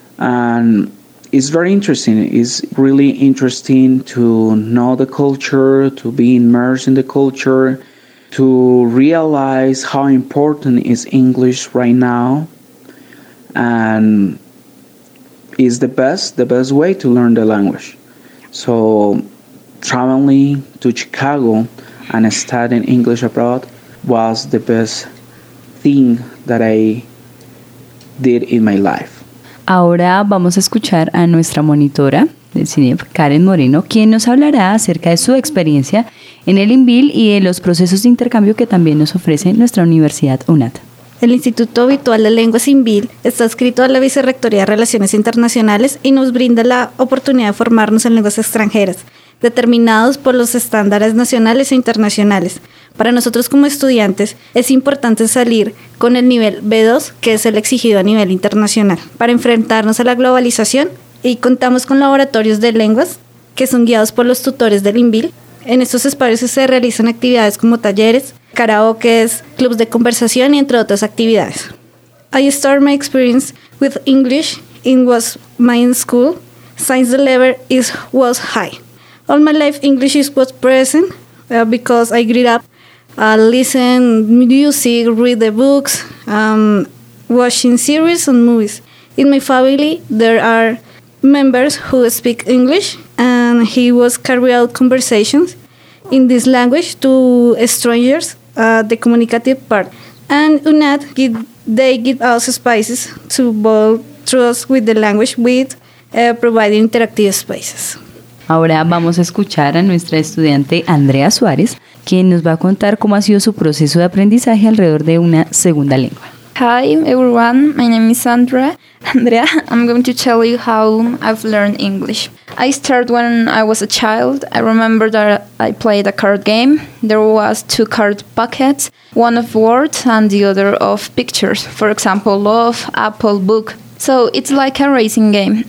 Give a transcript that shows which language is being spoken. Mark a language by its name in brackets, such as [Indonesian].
[English] And it's very interesting. It's really interesting to know the culture, to be immersed in the culture, to realize how important is English right now, and is the best way to learn the language. So traveling to Chicago and studying English abroad was the best thing that I did in my life. [Spanish] Ahora vamos a escuchar a nuestra monitora del CINEF, Karen Moreno, quien nos hablará acerca de su experiencia en el INVIL y de los procesos de intercambio que también nos ofrece nuestra Universidad UNAT. El Instituto Virtual de Lenguas INVIL está adscrito a la Vicerrectoría de Relaciones Internacionales y nos brinda la oportunidad de formarnos en lenguas extranjeras, determinados por los estándares nacionales e internacionales. Para nosotros como estudiantes es importante salir con el nivel B2, que es el exigido a nivel internacional, para enfrentarnos a la globalización. Y contamos con laboratorios de lenguas que son guiados por los tutores del INVIL. En estos espacios se realizan actividades como talleres, karaokes, clubs de conversación y entre otras actividades. [English] I started my experience with English in was my in school, since the level is was high. All my life English is was present because I grew up listen music, read the books, watching series and movies. In my family there are members who speak English, and he was carry out conversations in this language to strangers, the communicative part. And UNAT, they give us spaces to build trust with the language with providing interactive spaces. [Spanish] Ahora vamos a escuchar a nuestra estudiante Andrea Suárez, quien nos va a contar cómo ha sido su proceso de aprendizaje alrededor de una segunda lengua. [English] Hi everyone, my name is Andrea. I'm going to tell you how I've learned English. I started when I was a child. I remember that I played a card game. There was two card packets, one of words and the other of pictures. For example, love, apple, book. So it's like a racing game.